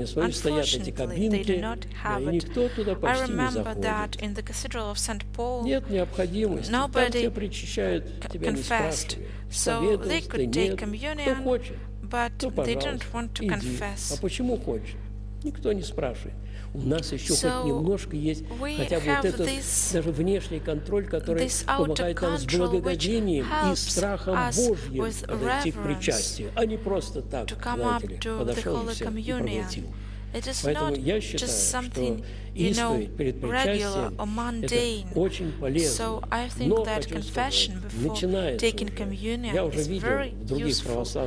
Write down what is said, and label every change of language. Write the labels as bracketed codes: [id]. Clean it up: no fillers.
[en] Unfortunately, they do not have it. I remember that in the Cathedral of St. Paul, nobody confessed. So they could take communion, but they didn't want to confess. [ru] Никто не спрашивает. У нас еще хоть немножко есть хотя бы вот этот даже внешний контроль, который помогает нам с благоговением и страхом Божьим подойти к причастию, а не просто так, знаете ли, подошел и все, и проглотил. [en] It is not just something, you know, regular or mundane. So I think that confession before taking communion is very useful.